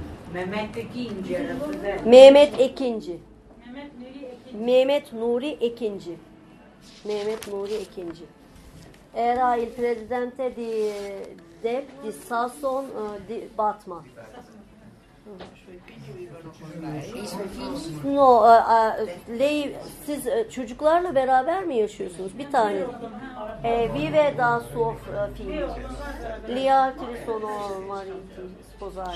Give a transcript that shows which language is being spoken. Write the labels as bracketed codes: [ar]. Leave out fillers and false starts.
[tr] Mehmet Ekinci. Mehmet Ekinci. Mehmet Nuri Ekinci. Mehmet Nuri Ekinci. [it] Era il presidente di Dep di Sasson di Batma. I suoi figli vivono con lei? No, lei, [tr] siz çocuklarla beraber mi yaşıyorsunuz? Bir tane. [it] Vive da suo figlio. Gli altri sono mariti, sposati.